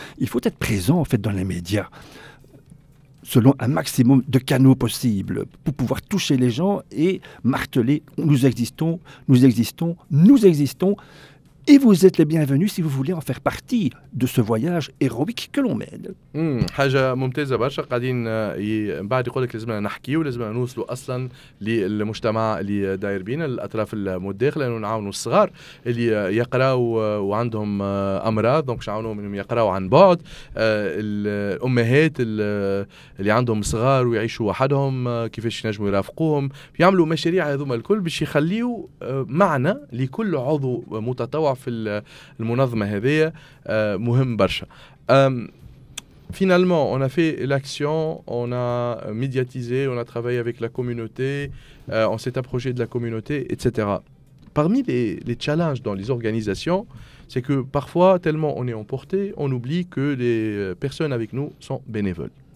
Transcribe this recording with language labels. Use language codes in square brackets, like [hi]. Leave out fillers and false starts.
[fr] Il faut être présent en fait dans les médias, selon un maximum de canaux possibles, pour pouvoir toucher les gens et marteler « nous existons, nous existons, nous existons ». Et vous êtes les bienvenus si vous voulez en faire partie de ce voyage héroïque que l'on mène. [ar] حاجة ممتازة برشا قاعدين بعد يقول لك لازمنا نحكي ولازمنا نوصلوا أصلا للمجتمع اللي داير بينا الأطراف المتداخلة لأنه نعاونوا الصغار اللي يقرأوا وعندهم أمراض دونك شعاونوا منهم يقرأوا عن بعد الأمهات اللي عندهم صغار ويعيشوا وحدهم كيفاش ينجموا يرافقوهم يعملوا مشاريع هذوما الكل باش يخليوا معنى لكل عضو متطوع في المنظمة هذه مهم برشا. [fr] Finalement, on a fait l'action, on a médiatisé, on a travaillé avec la communauté, on s'est approché de la communauté, etc. Parmi les challenges dans les organisations, c'est que parfois, tellement on est emporté, on oublie que les personnes avec nous sont bénévoles.